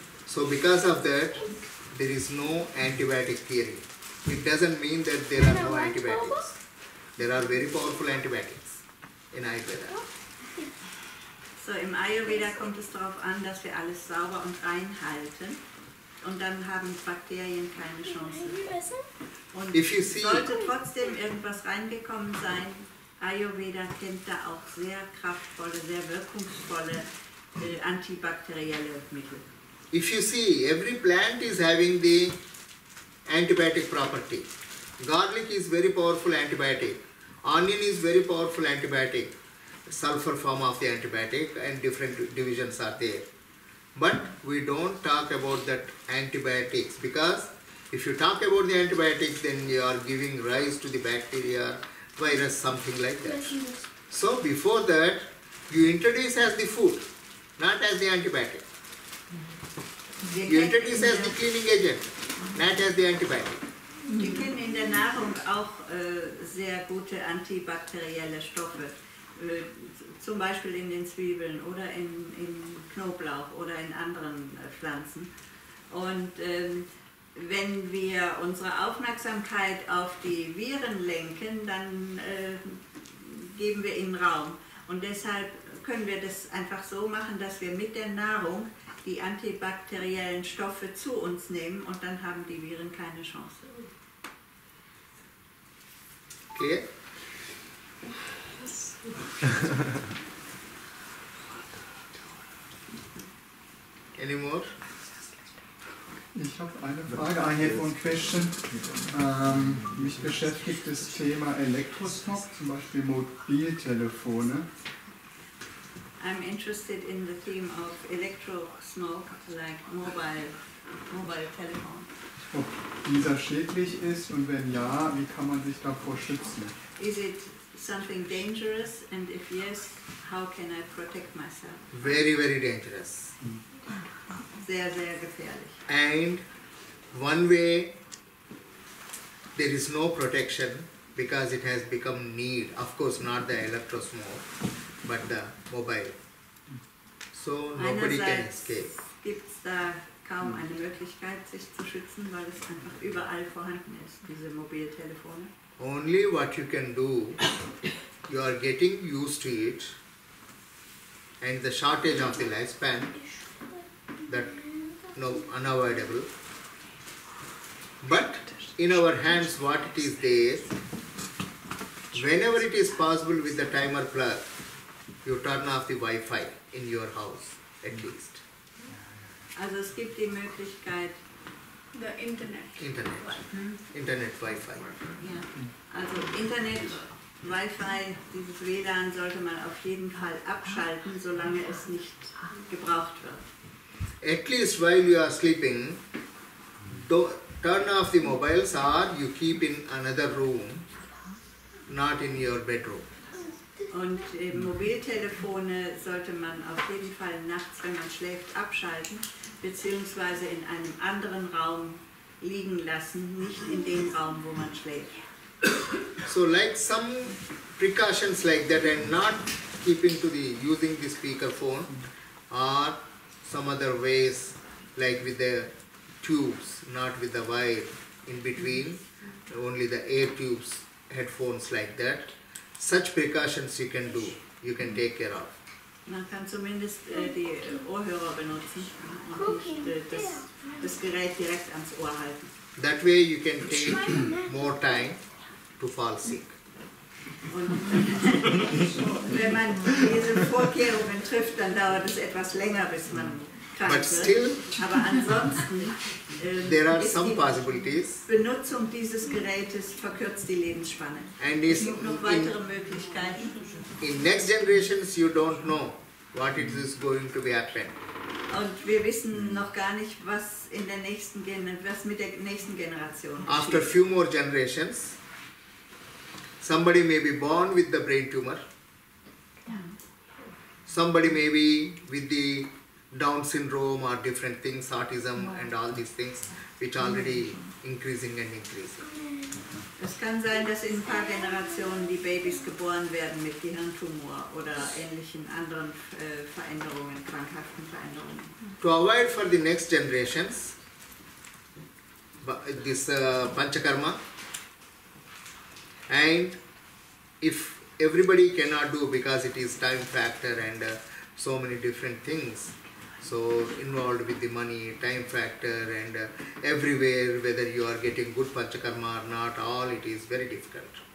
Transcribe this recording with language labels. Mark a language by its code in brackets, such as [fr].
[en] So because of that, there is no antibiotic theory. It doesn't mean that there are no antibiotics. There are very powerful antibiotics in Ayurveda. [de] So im Ayurveda kommt es darauf an, dass wir alles sauber und rein halten. Und dann haben Bakterien keine Chance. Und [en] if you see, [de] sollte trotzdem irgendwas reingekommen sein, Ayurveda kennt da auch sehr kraftvolle, sehr wirkungsvolle antibakterielle Mittel. [en] If you see, every plant is having the antibiotic property. Garlic is very powerful antibiotic. Onion is very powerful antibiotic. Sulfur form of the antibiotic and different divisions are there. But we don't talk about that antibiotics because if you talk about the antibiotics, then you are giving rise to the bacteria, virus, something like that. So before that, you introduce as the food, not as the antibiotic. You introduce as the cleaning agent, not as the antibiotic. [de] Wir kennen in der Nahrung auch sehr gute antibakterielle Stoffe. zum Beispiel in den Zwiebeln oder in Knoblauch oder in anderen Pflanzen. Und wenn wir unsere Aufmerksamkeit auf die Viren lenken, dann geben wir ihnen Raum. Und deshalb können wir das einfach so machen, dass wir mit der Nahrung die antibakteriellen Stoffe zu uns nehmen und dann haben die Viren keine Chance. [en] Okay. Any more? [de] Ich habe eine Frage, [en] I have one question. [de] Mich beschäftigt das Thema Elektrosmog, zum Beispiel Mobiltelefone. [en] I'm interested in the theme of electrosmog, like mobile telephone. [de] Ob dieser schädlich ist und wenn ja, wie kann man sich davor schützen? [en] Is it something dangerous and if yes, how can I protect myself? Very, very dangerous. [de] Sehr, sehr gefährlich. [en] And one way, there is no protection because it has become need, of course not the electrosmog, but the mobile. So nobody can escape. [de] Gibt's da kaum eine Möglichkeit, sich zu schützen, weil es einfach überall vorhanden ist, diese Mobiltelefone. [en] Only what you can do, you are getting used to it, and the shortage of the lifespan, that no unavoidable. But in our hands, what it is there, whenever it is possible with the timer plug, you turn off the Wi-Fi in your house, at least. [de] Also es gibt die Möglichkeit, [en] the Internet. Internet Wi-Fi. [de] Ja. Also Internet, Wi-Fi, dieses WLAN sollte man auf jeden Fall abschalten, solange es nicht gebraucht wird. [en] At least while you are sleeping, turn off the mobiles or you keep in another room, not in your bedroom. [de] Und Mobiltelefone sollte man auf jeden Fall nachts, wenn man schläft, abschalten, beziehungsweise in einem anderen Raum liegen lassen, nicht in dem Raum, wo man schläft. [en] So like some precautions like that and not keeping to the using the speakerphone or some other ways like with the tubes, not with the wire in between, only the air tubes, headphones like that. Such precautions you can do, you can take care of. [de] Man kann zumindest die Ohrhörer benutzen und nicht das Gerät direkt ans Ohr halten. [en] That way you can take more time to fall sick. [de] Und wenn man diese Vorkehrungen trifft, dann dauert es etwas länger, bis man krank [en] But still, [de] wird. Aber ansonsten [en] there are some possibilities. [de] Benutzung dieses Gerätes verkürzt die Lebensspanne. [en] And [de] es gibt noch weitere Möglichkeiten. [en] In next generations you don't know what it is going to be happen. [de] Und wir wissen noch gar nicht, was in der nächsten was mit der nächsten Generation passiert. [en] After few more generations, somebody may be born with the brain tumor. Somebody may be with the Down syndrome or different things, autism and all these things, which already increasing and increasing. [de] Es kann sein, dass in ein paar Generationen die Babys geboren werden mit Gehirntumor oder ähnlichen anderen Veränderungen, krankhaften Veränderungen. [en] To avoid for the next generations, this Panchakarma, and if everybody cannot do because it is time factor and so many different things, so involved with the money, time factor and everywhere, whether you are getting good panchakarma or not, all it is very difficult.